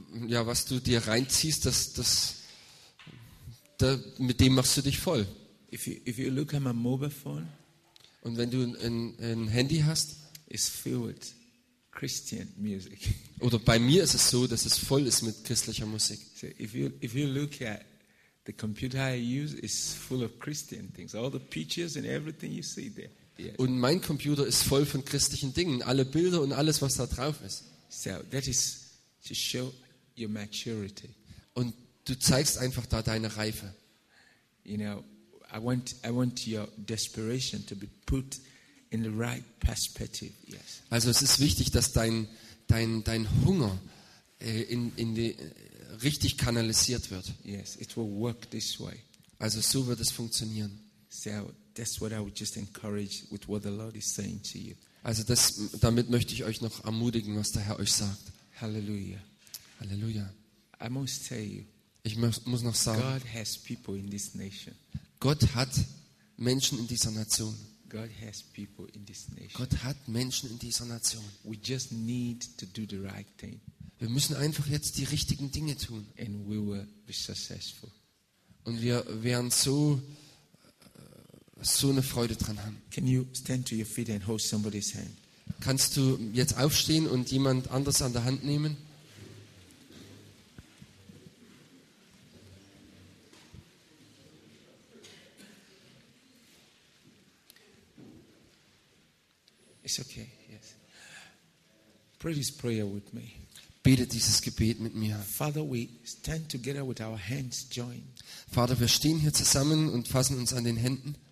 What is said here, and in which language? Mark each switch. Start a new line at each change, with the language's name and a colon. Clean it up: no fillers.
German: Was du dir reinziehst, das mit dem machst du dich voll.
English: If you look at my mobile phone,
German: und wenn du ein Handy hast,
English: it's filled with Christian music.
German: Oder bei mir ist es so, dass es voll ist mit christlicher Musik.
English: So if you look at the computer I use is full of Christian things. All the pictures and everything you see there. Yes.
German: Und mein Computer ist voll von christlichen Dingen. Alle Bilder und alles, was da drauf ist.
English: So that is to show your maturity.
German: Und du zeigst einfach da deine Reife.
English: You know, I want your desperation to be put in the right perspective. Yes.
German: Also es ist wichtig, dass dein Hunger in die richtig kanalisiert wird.
English: Yes, it will work this way.
German: Also so wird es funktionieren.
English: So that's what I would just encourage with what the Lord is saying to you.
German: Also das, damit möchte ich euch noch ermutigen, was der Herr euch sagt. Hallelujah. Hallelujah.
English: I must tell you.
German: Ich muss noch sagen.
English: God has people in this nation.
German: Gott hat Menschen in dieser Nation.
English: God has people in this nation.
German: Gott hat Menschen in dieser Nation.
English: We just need to do the right thing.
German: Wir müssen einfach jetzt die richtigen Dinge tun.
English: And we will be successful.
German: Und wir werden so so eine Freude dran haben.
English: Can you stand to your feet and hold somebody's hand?
German: Kannst du jetzt aufstehen und jemand anders an der Hand nehmen?
English: It's okay. Yes. Pray this prayer with me.
German: Bete dieses Gebet mit mir.
English: Father, we stand together with our hands joined.
German: Vater, wir stehen hier zusammen und fassen uns an den Händen.